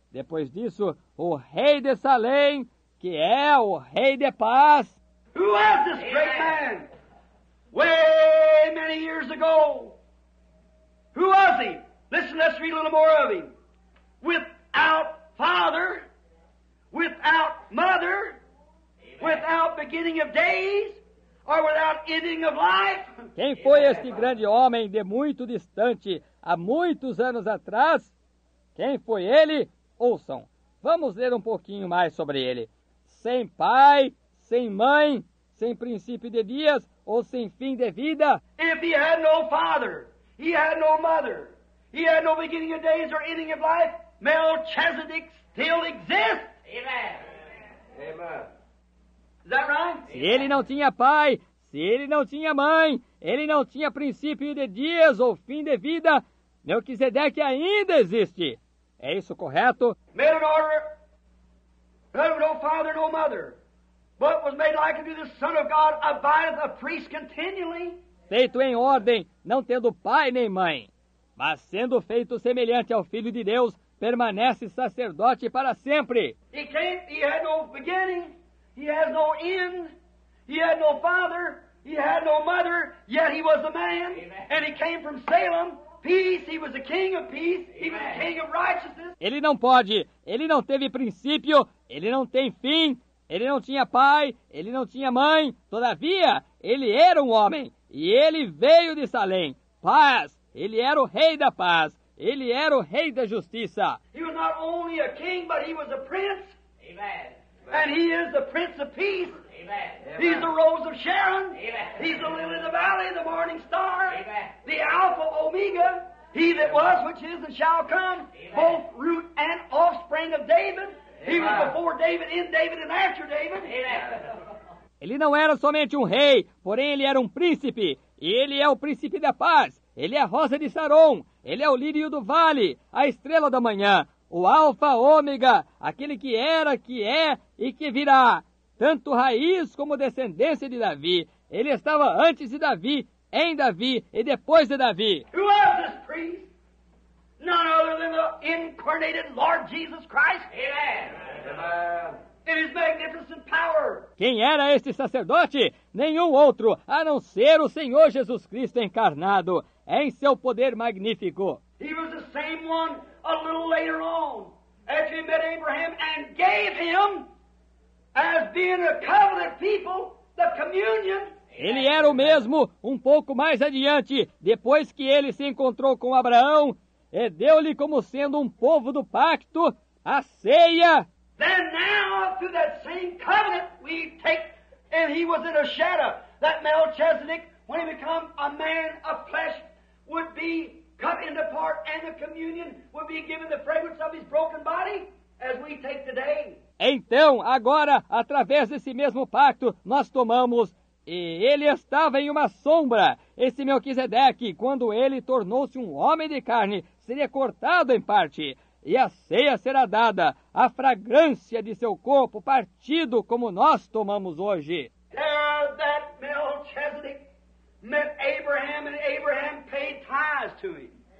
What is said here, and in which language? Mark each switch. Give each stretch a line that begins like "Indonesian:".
Portuguese: Depois disso, o rei de Salém, que é o rei de paz.
English: Who was this great man? Way many years ago. Who was he? Listen, let's read a little more of him. Without father, without mother, Amen. Without beginning of days, or without ending of life.
Portuguese: Quem foi este grande homem de muito distante, há muitos anos atrás? Quem foi ele? Ouçam. Vamos ler um pouquinho mais sobre ele. Sem pai, sem mãe, sem princípio de dias ou sem fim de vida.
English: If he had no father, he had no mother, he had no beginning of days or ending of life, Melchizedek still exists. Amen. Amen. Is that right?
Portuguese: Se ele não tinha pai, se ele não tinha mãe, ele não tinha princípio de dias ou fim de vida, Melquisedec ainda existe. É isso correto?
English: Made an order. Had no father, no mother. But was made like unto the Son of God, abideth a priest continually.
Portuguese: Feito em ordem, não tendo pai nem mãe, mas sendo feito semelhante ao Filho de Deus, permanece sacerdote para sempre.
English: He can't, he had no beginning, he has no end, he had no father, he had no mother, yet he was a man. Amen. And he came from Salem. Peace, he was a king of peace, he was a king of righteousness.
Portuguese: Ele não pode, ele não teve princípio, ele não tem fim, ele não tinha pai, ele não tinha mãe, todavia, ele era um homem, e ele veio de Salém. Paz, ele era o rei da paz, ele era o rei da justiça.
English: He was not only a king, but he was a prince. Amen. And he is the prince of peace. Amen. He's the rose of Sharon. Amen. He's the lily of the valley, the morning star. Amen. The Alpha Omega. He that was, which is, and shall come. Amen. Both root and offspring of David. Amen. He was before David, in David, and after David. Amen.
Portuguese: Ele não era somente rei, porém ele era príncipe. E ele é o príncipe da paz. Ele é a rosa de Saron. Ele é o lírio do vale, a estrela da manhã. O Alpha Omega, aquele que era, que é e que virá. Tanto raiz como descendência de Davi. Ele estava antes de Davi, em Davi e depois de Davi.
English: Who was this priest? None other than the incarnated Lord Jesus Christ. Amen. In his magnificent power.
Portuguese: Quem era este sacerdote? Nenhum outro, a não ser o Senhor Jesus Cristo encarnado, em seu poder magnífico.
English: He was the same one a little later on, after he met Abraham and gave him as being a covenant people, the communion.
Portuguese: Ele era o mesmo pouco mais adiante, depois que ele se encontrou com Abraão, e deu-lhe como sendo povo do pacto, a ceia.
English: Then now, through that same covenant, we take, and he was in a shadow, that Melchizedek, when he became a man of flesh, would be cut into part, and the communion would be given the fragrance of his broken body, as we take today.
Portuguese: Então, agora, através desse mesmo pacto, nós tomamos, e ele estava em uma sombra. Esse Melquisedeque, quando ele tornou-se homem de carne, seria cortado em parte, e a ceia será dada, a fragrância de seu corpo partido como nós tomamos hoje.
English: That Melchizedek met Abraham, and Abraham paid tithes to him.